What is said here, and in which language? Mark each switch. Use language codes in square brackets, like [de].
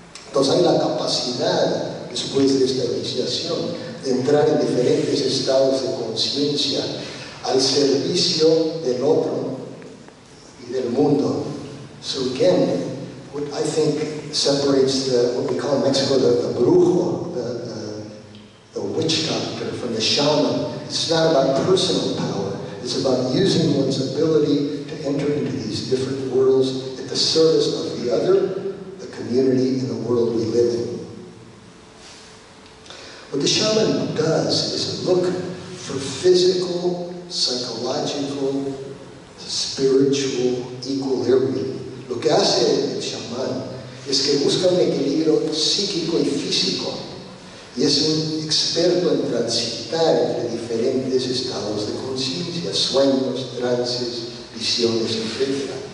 [es] Entonces hay la capacidad, después de esta iniciación, de entrar en diferentes estados de conciencia al servicio del otro y del mundo. [en] So again, what I think separates the, what we call in Mexico, the brujo, the witch doctor from the shaman, it's not about personal power, it's about using one's ability to enter into these different worlds at the service of the other, the community, and the world we live in. What the shaman does is look for physical, psychological, spiritual equilibrium. [es] Lo que hace el shaman es que busca un equilibrio psíquico y físico, y es un experto en transitar entre diferentes estados de conciencia, sueños, trances, visiones, etc.